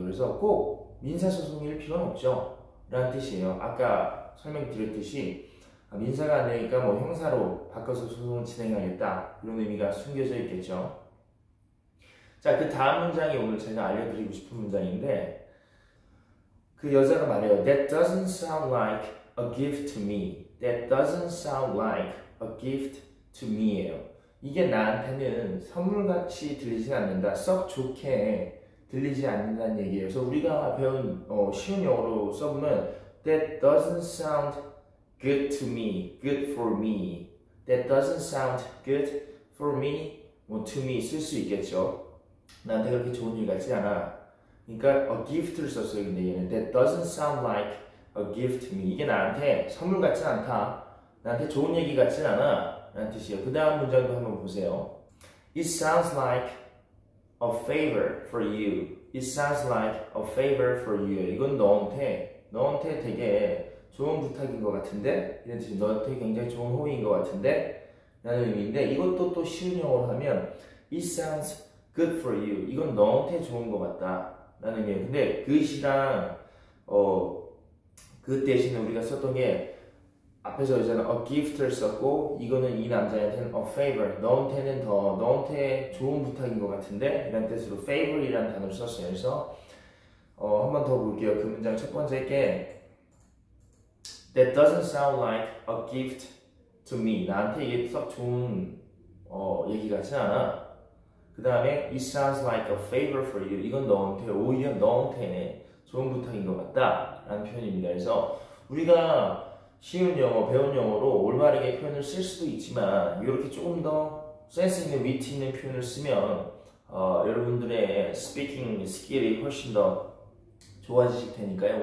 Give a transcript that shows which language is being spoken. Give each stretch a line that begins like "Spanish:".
Korean: 그래서 꼭 민사소송일 필요는 없죠. 라는 뜻이에요. 아까 설명드렸듯이 민사가 안 되니까 뭐 형사로 바꿔서 소송을 진행하겠다 이런 의미가 숨겨져 있겠죠. 자, 그 다음 문장이 오늘 제가 알려드리고 싶은 문장인데 그 여자가 말해요.
English: That doesn't sound like a gift to me. That doesn't sound like a gift to me예요.
Korean: 이게 나한테는 선물같이 들리지 않는다. 썩 좋게 들리지 않는다는 얘기예요. 그래서 우리가 배운 쉬운 영어로 써보면
English: That doesn't sound good to me, good for me. That doesn't sound good for me, 뭐 to me
Korean: 쓸 수 있겠죠. 나한테 그렇게 좋은 일 같지 않아. 그러니까 a gift를 썼어요. 근데 얘는
English: That doesn't sound like a gift to me.
Korean: 이게 나한테 선물 같지 않다. 나한테 좋은 얘기 같지 않아. 라는 뜻이에요. 그 다음 문장도 한번 보세요.
English: It sounds like a favor for you. It sounds like a favor for you.
Korean: 이건 너한테 되게 좋은 부탁인 것 같은데 이런 뜻이 너한테 굉장히 좋은 호의인 것 같은데 라는 의미인데 이것도 또 쉬운 영어로 하면
English: It sounds good for you.
Korean: 이건 너한테 좋은 것 같다 라는 의미예요. 근데 good이랑 그 대신에 우리가 썼던 게 앞에서 여자는 a gift를 썼고 이거는 이 남자한테는 a favor. 너한테는 더 너한테 좋은 부탁인 것 같은데 이런 뜻으로 favor이라는 단어를 썼어요. 그래서 한 번 더 볼게요. 그 문장 첫 번째 게
English: That doesn't sound like a gift to me.
Korean: 나한테 이게 썩 좋은 얘기 같지 않아. 그 다음에
English: It sounds like a favor for you.
Korean: 이건 너한테 오히려 너한테 좋은 부탁인 것 같다 라는 표현입니다. 그래서 우리가 쉬운 영어, 배운 영어로 올바르게 표현을 쓸 수도 있지만 이렇게 조금 더 센스 있는, 위트 있는 표현을 쓰면 여러분들의 스피킹 스킬이 훨씬 더 좋아지실 테니까요.